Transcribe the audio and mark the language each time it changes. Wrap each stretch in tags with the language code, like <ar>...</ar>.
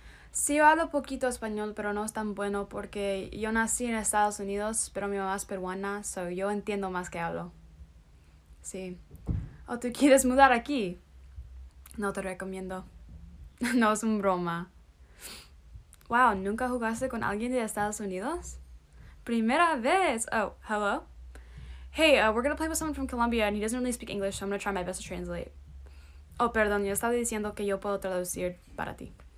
<es>Sí, yo hablo poquito español, pero no es tan bueno porque yo nací en Estados Unidos, pero mi mamá es peruana, so yo entiendo más que hablo. Sí. ¿O tú quieres mudar aquí? No te recomiendo. No es un broma. Wow, ¿nunca jugaste con alguien de Estados Unidos? ¡Primera vez! Oh, hello?</es> <en>Hey, we're gonna play with someone from Colombia and he doesn't really speak English, so I'm gonna try my best to translate.</en> <es>Oh, perdón, yo estaba diciendo que yo puedo traducir para ti.</es>